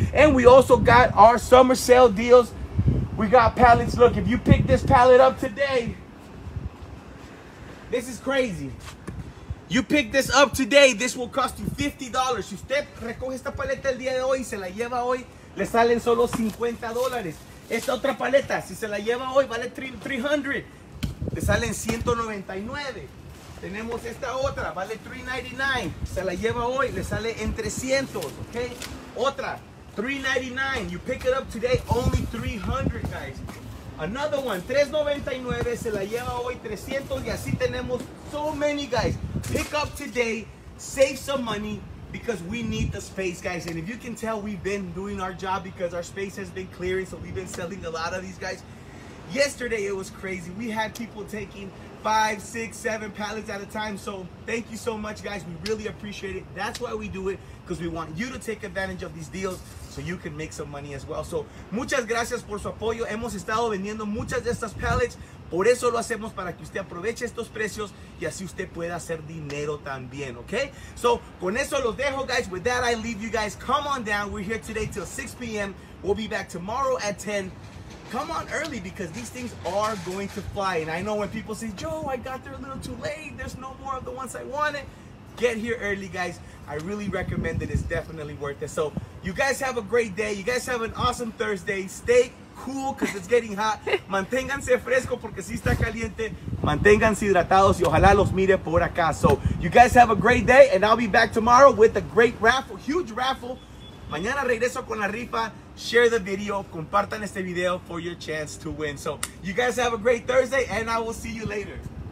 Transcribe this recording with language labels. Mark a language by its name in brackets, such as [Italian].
[English] And we also got our summer sale deals. We got pallets. Look, if you pick this pallet up today, this is crazy. You pick this up today, this will cost you $50. [Spanish] Si usted recoge esta paleta el día de hoy y se la lleva hoy, le salen solo $50. Esta otra paleta, si se la lleva hoy, vale $300. Le salen $199. Tenemos esta otra, vale $399. Se la lleva hoy, le sale en $300, ok? Otra, [English] $399. You pick it up today, only $300, guys. Another one, [Spanish] $3.99, se la lleva hoy $300, y así tenemos [English] so many, guys. Pick up today, save some money, because we need the space, guys. And if you can tell, we've been doing our job because our space has been clearing, so we've been selling a lot of these, guys. Yesterday, it was crazy. We had people taking 5, 6, 7 pallets at a time. So thank you so much, guys. We really appreciate it. That's why we do it, because we want you to take advantage of these deals so you can make some money as well. So [Spanish] muchas gracias por su apoyo. Hemos estado vendiendo muchas de estas pallets. Por eso lo hacemos, para que usted aproveche estos precios y así usted pueda hacer dinero también, okay? [English] So [Spanish] con eso los dejo, [English] guys. With that, I leave you guys. Come on down. We're here today till 6 p.m. We'll be back tomorrow at 10. Come on early, because these things are going to fly. And I know when people say, Joe, I got there a little too late, there's no more of the ones I wanted. Get here early, guys. I really recommend it. It's definitely worth it. So you guys have a great day. You guys have an awesome Thursday. Stay cool, because it's getting hot. [Spanish] Manténganse fresco, porque si está caliente. Manténganse hidratados, y ojalá los mire por acá. [English] So you guys have a great day, and I'll be back tomorrow with a great raffle, huge raffle. [Spanish] Mañana regreso con la rifa. [English] Share the video. [Spanish] Compartan este video [English] for your chance to win. So you guys have a great Thursday, and I will see you later.